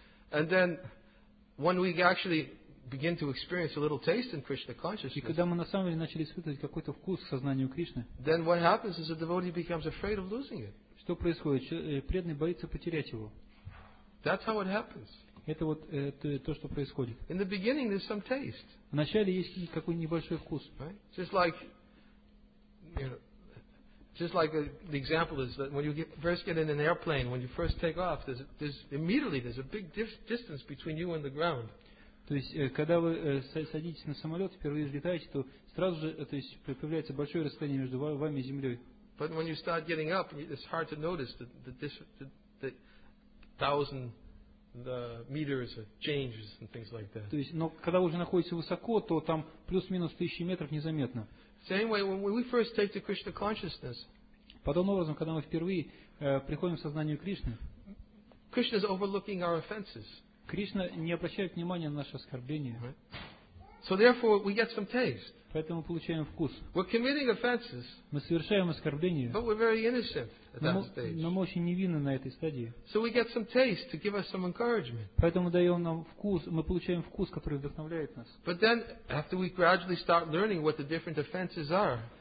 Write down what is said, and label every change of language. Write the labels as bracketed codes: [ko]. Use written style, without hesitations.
[en] And then, when we actually begin to experience a little taste in Krishna consciousness, [ru] и когда мы на самом деле начали испытывать какой-то вкус к сознанию Кришны, [en] then what happens is a devotee becomes afraid of losing it. [ru] Что происходит? Преданный боится потерять его. [en] That's how it happens. [ru] Это вот то, что происходит. [en] In the beginning, there's some taste. [ru] Вначале есть какой-то небольшой вкус. [en] Right? Just like, you know, just like the example is that when you first get in an airplane, when you first take off, there's immediately a big distance between you and the ground. [ru] То есть, когда вы садитесь на самолет, впервые взлетаете, то сразу же, то есть, появляется большое расстояние между вами и землей. [en] But when you start getting up, it's hard to notice the thousand the meters changes and things like that. [ru] То есть, но когда вы уже находитесь высоко, то там плюс-минус тысячи метров незаметно. [en] Same way when we first take to Krishna consciousness. [ru] Подобным образом, когда мы впервые приходим в сознание Кришны. [en] Krishna is overlooking our offenses. [ru] Кришна не обращает внимания на наши оскорбления. [en] So therefore we get some taste. [ru] Поэтому мы получаем вкус. [en] We're committing offenses. [ru] Мы совершаем оскорбления. [en] But we're very innocent at that stage. [ru] Но мы очень невинны на этой стадии. [en] So we get some taste to give us some encouragement. [ru] Поэтому даем нам вкус, мы получаем вкус, который вдохновляет нас. [en] But then after we gradually start learning what the different offenses are.